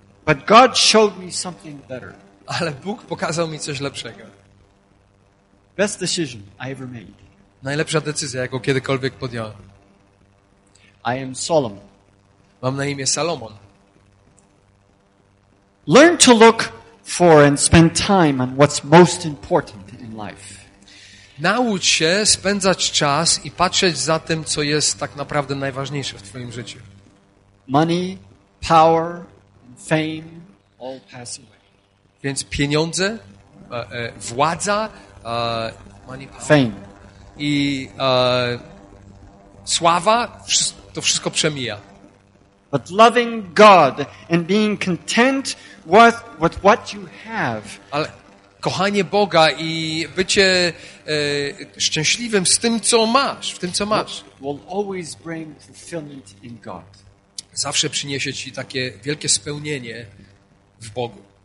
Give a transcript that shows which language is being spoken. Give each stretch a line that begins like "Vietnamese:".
English: But God showed me something better.
Polish: Ale Bóg pokazał mi coś lepszego.
English: Best decision I ever made.
Polish: Najlepsza decyzja, jaką kiedykolwiek podjąłem.
English: I am Solomon.
Polish: Mam na imię Salomon.
English: Learn to look for and spend time on what's most important in life.
Polish: Naucz się spędzać czas i patrzeć za tym, co jest tak naprawdę najważniejsze w twoim życiu.
English: Money, power, and fame all pass away.
Polish: Więc pieniądze, władza,
English: money, power. Fame.
Polish: I sława, to wszystko przemija.
English: But loving God and being content with what you have.
Polish: Ale kochanie Boga i bycie szczęśliwym z tym, co masz, w tym, co masz.
English: Will always bring fulfillment in God.
Polish: Zawsze przyniesie ci takie wielkie spełnienie w Bogu.